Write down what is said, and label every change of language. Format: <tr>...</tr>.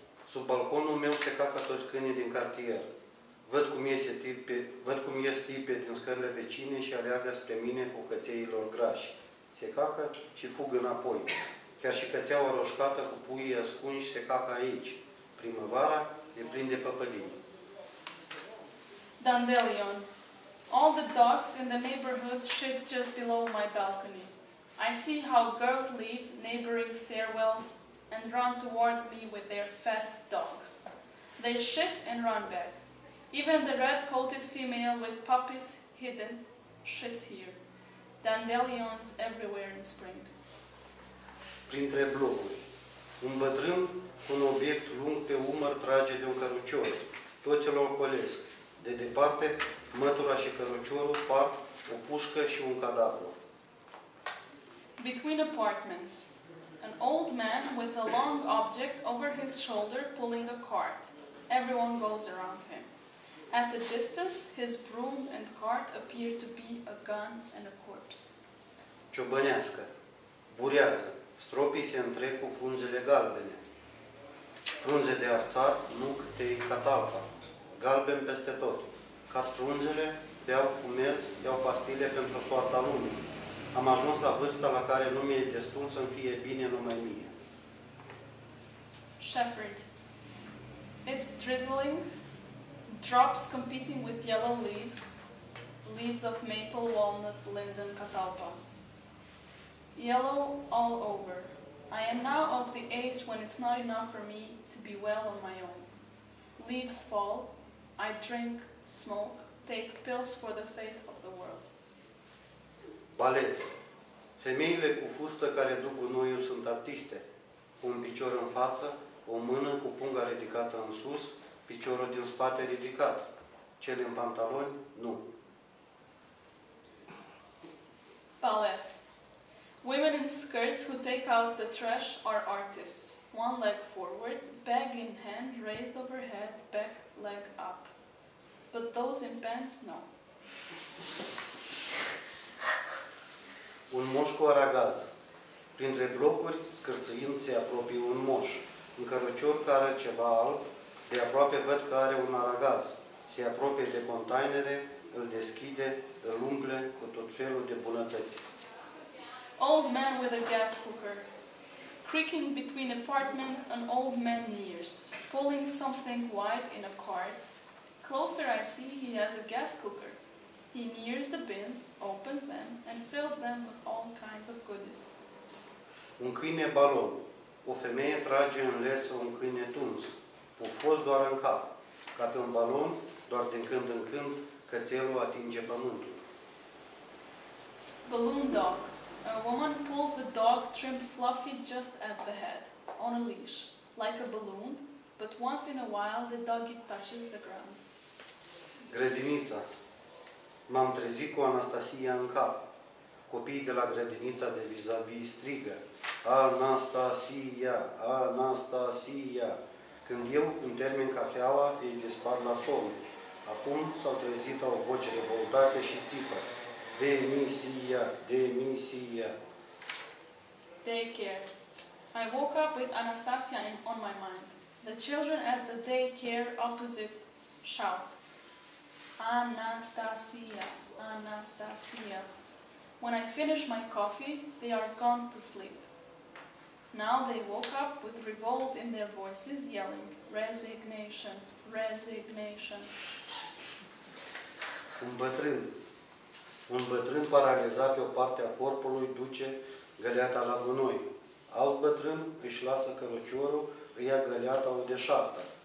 <ro>Sub balconul meu se cacă toți câinii din cartier. Văd cum ies tipe din scările vecine și aleargă spre mine cu cățeilor grași. Se cacă și fug înapoi. Chiar și cățeaua roșcată cu puii ascunși se cacă aici. Primăvara e plin de păpădii.</ro> <en>Dandelion. All the dogs in the neighborhood shit just below my balcony. I see how girls leave neighboring stairwells and run towards me with their fat dogs. They shit and run back. Even the red-coated female with puppies hidden shits here. Dandelions everywhere in spring.</en> <ro>Printre blocuri. Un bătrân cu un obiect lung pe umăr trage de un cărucior. Toți îl ocolesc. De departe, mătura și căruciorul par o pușcă și un cadavru.</ro> <en>Between apartments, an old man with a long object over his shoulder pulling a cart. Everyone goes around him. At the distance, his broom and cart appear to be a gun and a corpse.</en> <ro>Ciobănească, burează, stropii se întrec cu frunzele galbene. Frunze de arțar, nucte-i catalpa, galben peste tot. Cad frunzele, beau fumez, iau pastile pentru soarta lumii. Am ajuns la vârsta la care nu mi-e destul să-mi fie bine numai mie.</ro> <en>Shepherd. It's drizzling. Drops competing with yellow leaves. Leaves of maple, walnut, linden, catalpa. Yellow all over. I am now of the age when it's not enough for me to be well on my own. Leaves fall. I drink, smoke, take pills for the fate of the world.</en> <ro>Balet. Femeile cu fustă care duc gunoiul sunt artiste. Cu un picior în față, o mână cu punga ridicată în sus, piciorul din spate ridicat. Cele în pantaloni, nu.</ro> <en>Ballet. Women in skirts who take out the trash are artists. One leg forward, bag in hand, raised overhead, back leg up. But those in pants, no.</en> <ro>Un moș cu aragaz. Printre blocuri, scârțâind, se apropie un moș. În cărucior care are ceva alb, de aproape văd că are un aragaz. Se apropie de containere, îl deschide, îl umple cu tot felul de bunătăți.</ro> <en>Old man with a gas cooker. Creaking between apartments, an old man nears. Pulling something white in a cart. Closer I see he has a gas cooker. He nears the bins, opens them, and fills them with all kinds of goodies.</en> <ro>Un câine balon. O femeie trage în lesă un câine tuns, pufos doar în cap. Ca pe un balon, doar din când în când, cățelul atinge pământul.</ro> <en>Balloon dog. A woman pulls a dog trimmed fluffy just at the head, on a leash, like a balloon, but once in a while the doggy touches the ground.</en> <ro>Grădinița. M-am trezit cu Anastasia în cap. Copiii de la grădinița de vis-a-vis strigă. Anastasia, Anastasia. Când eu îmi termin cafeaua, ei dispar la somn. Acum s-au trezit o voce revoltată și țipă. Demisia, demisia.</ro> <en>Daycare. I woke up with Anastasia on my mind. The children at the daycare opposite shout. Anastasia, Anastasia. When I finish my coffee, they are gone to sleep. Now they woke up with revolt in their voices, yelling, resignation, resignation.</en> <ro>Un bătrân. Un bătrân paralizat pe o parte a corpului duce găleata la gunoi. Alt bătrân își lasă căruciorul, îi ia găleata o deșartă.</ro>